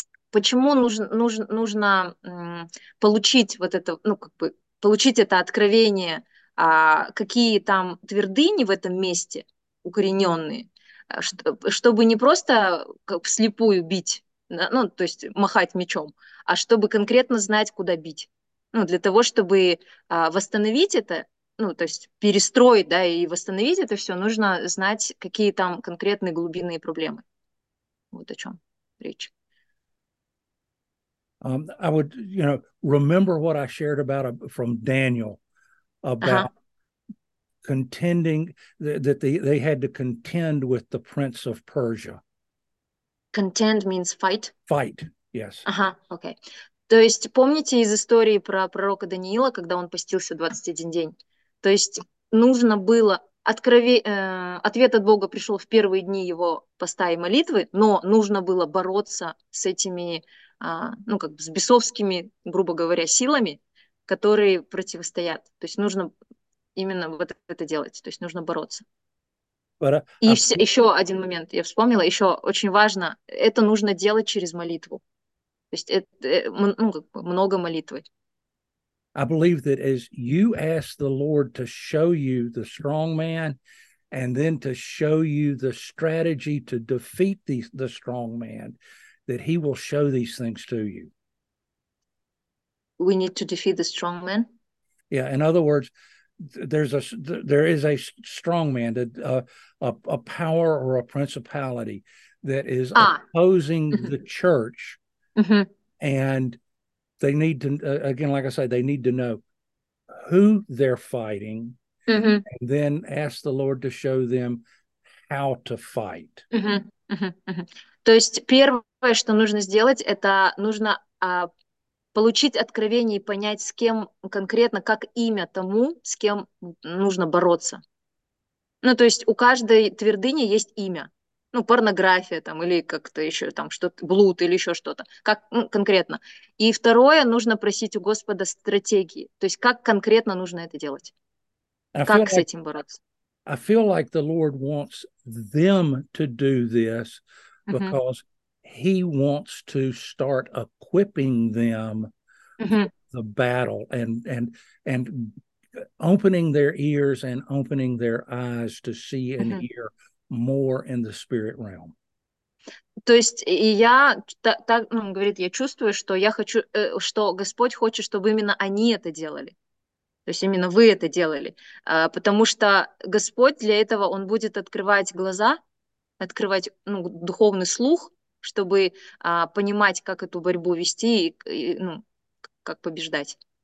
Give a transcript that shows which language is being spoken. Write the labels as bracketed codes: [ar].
[ru] почему нужно получить вот это, ну, как бы, получить это откровение, какие там твердыни в этом месте укорененные, чтобы не просто как вслепую бить, ну, то есть махать мечом, а чтобы конкретно знать, куда бить, ну, для того, чтобы восстановить это, ну, то есть перестроить, да, и восстановить это все, нужно знать, какие там конкретные глубинные проблемы. Вот о чем речь. [en] I would, you know, remember what I shared about from Daniel about contending that they had to contend with the prince of Persia. Contend means fight. Fight, yes. Okay. [ru] То есть помните из истории про пророка Даниила, когда он постился 21 день? То есть нужно было ответ от Бога пришел в первые дни его поста и молитвы, но нужно было бороться с этими, ну как бы с бесовскими, грубо говоря, силами, которые противостоят. То есть нужно именно вот это делать. То есть нужно бороться. Еще один момент я вспомнила. Еще очень важно. Это нужно делать через молитву. То есть много молитвы. [en] I believe that as you ask the Lord to show you the strong man and then to show you the strategy to defeat the strong man, that he will show these things to you. We need to defeat the strong man? Yeah, in other words, there is a strong man, a power or a principality that is opposing the church. Mm-hmm. And they need to, again, like I said, they need to know who they're fighting, mm-hmm. and then ask the Lord to show them how to fight. Mm-hmm. Mm-hmm. [ru] То есть первое, что нужно сделать, это нужно получить откровение и понять, с кем конкретно, как имя тому, с кем нужно бороться. Ну, то есть у каждой твердыни есть имя. Ну, порнография там, или как-то еще там что-то, блуд или еще что-то, как конкретно. И второе, нужно просить у Господа стратегии, то есть как конкретно нужно это делать, как с этим бороться. [en] I feel like the Lord wants them to do this because he wants to start equipping them the battle and opening their ears and opening their eyes to see and hear more in the spirit realm. [ru] То есть я так, ну, говорит, я чувствую, что я хочу, что Господь хочет, чтобы именно они это делали. То есть именно вы это делали. Потому что Господь для этого, он будет открывать глаза, открывать, ну, духовный слух, чтобы понимать, как эту борьбу вести и ну, как побеждать.